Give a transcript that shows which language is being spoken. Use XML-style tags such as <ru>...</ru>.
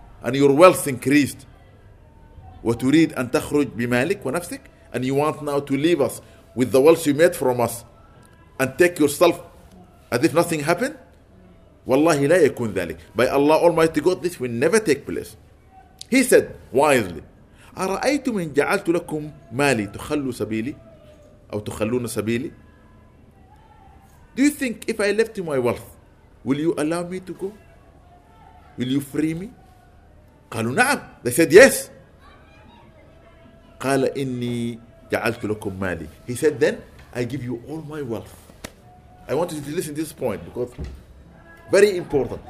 <en>And your wealth increased.</en> <ar>Waturid an takhruj bimalik wa nafsik.</ar> <en>And you want now to leave us with the wealth you made from us and take yourself as if nothing happened.</en> <ar>Wallahi la yakun dhalik.</ar> <en>By Allah Almighty God, this will never take place. He said wisely,</en> <ar>أَرَأَيْتُ مِنْ جَعَلْتُ لَكُمْ مَالِي تُخَلُّ سَبِيلِي أَوْ تُخَلُّونَ سَبِيلِي.</ar> <en>Do you think if I left you my wealth, will you allow me to go? Will you free me?</en> <ar>قَالُوا نَعَمْ.</ar> <en>They said yes.</en> <ar>قَالَ إِنِّي جَعَلْتُ لَكُمْ مَالِي.</ar> <en>He said then, I give you all my wealth. I want you to listen to this point because Very important.</en>